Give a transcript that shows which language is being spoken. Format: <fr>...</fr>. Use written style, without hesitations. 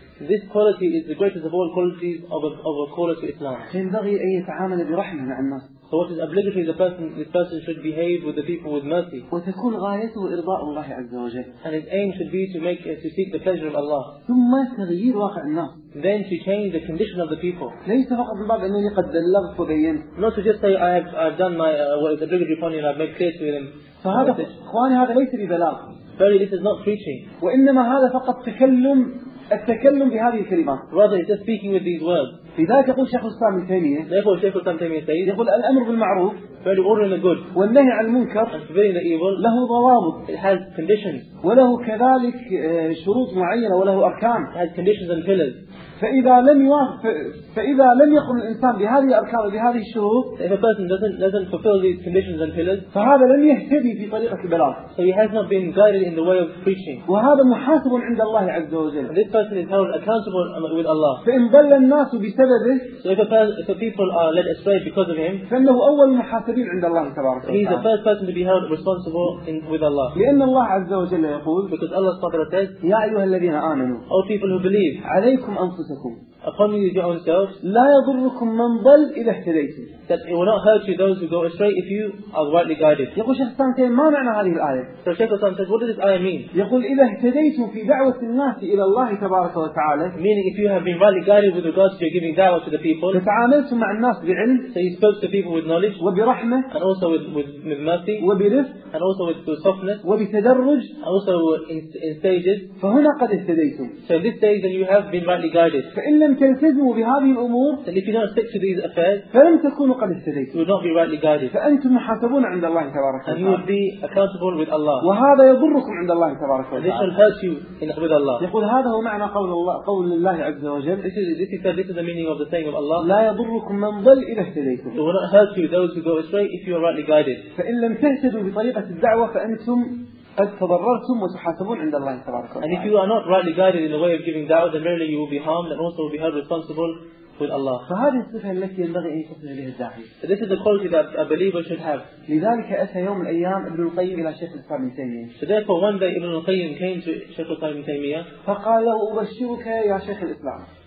<en>This quality is the greatest of all qualities of a caller to Islam.</en> <ar>ينبغي أن يتعامل برحمة مع الناس.</ar> <en>So what is obligatory this person should behave with the people with mercy.</en> <ar>وتكون غايته إرضاء الله عز وجل.</ar> <en>And his aim should be to seek the pleasure of Allah.</en> <ar>ثم تغيير واقع الناس.</ar> <en>Then to change the condition of the people.</en> <ar>ليس فقط بعد أنني قد بلغت وبينت.</ar> <en>Not to just say I've done what is obligatory upon you and I've made clear to them.</en> <ar>فهذا إخواني هذا ليس ببلاغ.</ar> <en>Verily this is not preaching.</en> <ar>وإنما هذا فقط تكلم التكلم بهذه الكلمات.</ar> <en>Rather, he's just speaking with these words.</en> <ar>لذلك يقول شيخ الإسلام ابن تيمية.</ar> <en>Therefore, Sheikh Islam Taymiyyah says.</en> <ar>يقول الأمر بالمعروف.</ar> <en>Very ordering the good.</en> <ar>والنهي عن المنكر.</ar> <en>And forbidding the evil.</en> <ar>له ضوابط.</ar> <en>It has conditions.</en> <ar>وله كذلك شروط معينة وله أركان.</ar> <en>It has conditions and pillars.</en> <ar>فإذا لم يقم الإنسان بهذه الأركان بهذه الشروط.</ar> <en>If a person doesn't fulfill these conditions and pillars.</en> <ar>فهذا لم يهتدي في طريقة البلاغ.</ar> <en>So he has not been guided in the way of preaching.</en> <ar>وهذا محاسب عند الله عز وجل.</ar> <en>And this person is held accountable with Allah.</en> <ar>فإن ضل الناس بسببه.</ar> <en>So if people are led astray because of him.</en> <ar>فإنه أول محاسبين عند الله تبارك وتعالى.</ar> <en>He is the first person to be held responsible with Allah.</en> <ar>لأن الله عز وجل يقول.</ar> <en>Because Allah says.</en> <ar>يا أيها الذين آمنوا.</ar> <en>All people who believe.</en> <ar>عليكم أن</ar> <en>upon you, your own selves,</en> <ar>لا يضركم من ضل إذا اهتديتم.</ar> <en>That it will not hurt you those who go astray if you are rightly guided.</en> <ar>يقول شيخ الإسلام ما معنى هذه الآية؟</ar> <en>So Sheikh Hassan says, what does this ayah mean?</en> <ar>يقول إذا اهتديتم في دعوة الناس إلى الله تبارك وتعالى.</ar> <en>Meaning if you have been rightly guided with regards to giving dawah to the people.</en> <ar>تتعاملتم مع الناس بعلم.</ar> <en>So you spoke to people with knowledge.</en> <ar>وبرحمة.</ar> <en>And also with mercy.</en> <ar>وبرفق.</ar> <en>And also with softness.</en> <ar>وبتدرج.</ar> <en>Also in stages.</en> <ar>فهنا قد اهتديتم.</ar> <en>So this day then you have been rightly guided.</en> <ar>فإن لم تلتزموا بهذه الأمور.</ar> <en>And if you don't stick to these affairs.</en> <ar>فلم تكونوا قد اهتديتم.</ar> <en>You will not be rightly guided.</en> <ar>فأنتم محاسبون عند الله تبارك وتعالى.</ar> <en>And you will be accountable with Allah.</en> <ar>وهذا يضركم عند الله تبارك وتعالى.</ar> <en>This will hurt you in with Allah.</en> <ar>يقول هذا هو معنى قول الله عز وجل.</ar> <en>This is the meaning of the saying of Allah.</en> <ar>لا يضركم من ضل إذا اهتديتم.</ar> <en>It will not hurt you those who go astray if you are rightly guided.</en> <ar>فإن لم تهتدوا بطريقة الدعوة فأنتم قد تضررتم وتحاسبون عند الله تبارك وتعالى.</ar> <en>And if you are not rightly guided in the way of giving da'wah, then merely you will be harmed and also will be held responsible with Allah.</en> <ar>فهذه الصفة التي ينبغي أن يصل إليها الداعي.</ar> <en>So this is the quality that a believer should have.</en> <ar>لذلك أتى يوم الأيام ابن القيم إلى شيخ الإسلام ابن تيمية.</ar> <en>So therefore one day ابن القيم came to شيخ الإسلام ابن تيمية.</en> <ar>فقال له أبشرك يا شيخ الإسلام.</ar>